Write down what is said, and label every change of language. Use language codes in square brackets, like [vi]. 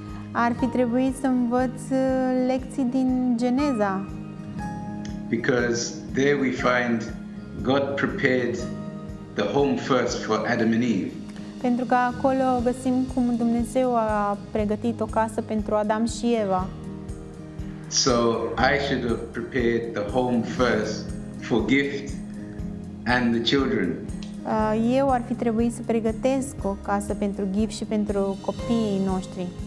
[ro] Ar fi trebuit să învăț lecții din Geneza. [en] Because there we find God prepared the home first for Adam and Eve. [ro] Pentru că acolo găsim cum Dumnezeu a pregătit o casă pentru Adam și Eva. [en] So I should have prepared the home first for gift and the children. [ro] Eu ar fi trebuit să pregătesc o casă pentru gift și pentru copiii noștri.